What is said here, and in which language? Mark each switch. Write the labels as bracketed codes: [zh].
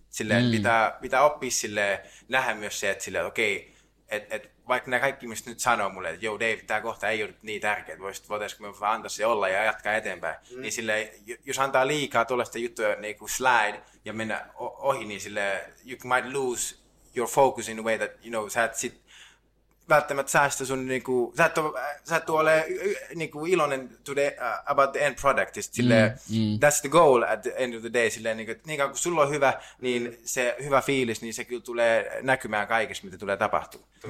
[fi] Silleen, pitää oppia silleen, nähdä myös se, että silleen, okei, et vaikka nämä kaikki ihmiset nyt sanoo mulle, että joo Dave, tämä kohta ei ole niin tärkeä, että voitaisiko me vaan antaa se olla ja jatkaa eteenpäin. Mm. Niin silleen, jos antaa liikaa tuollaista juttuja niin kuin slide ja mennä ohi, niin silleen, [en] you might lose your focus in a way that, you know, [fi] sä et sit välttämättä säästä sun, niin kuin, sä et ole niin kuin iloinen [en] about the end product. That's the goal at the end of the day. [fi] Silleen, niin kuin, kun sulla on hyvä, niin se hyvä fiilis, niin se kyllä tulee näkymään kaikessa, mitä tulee tapahtua.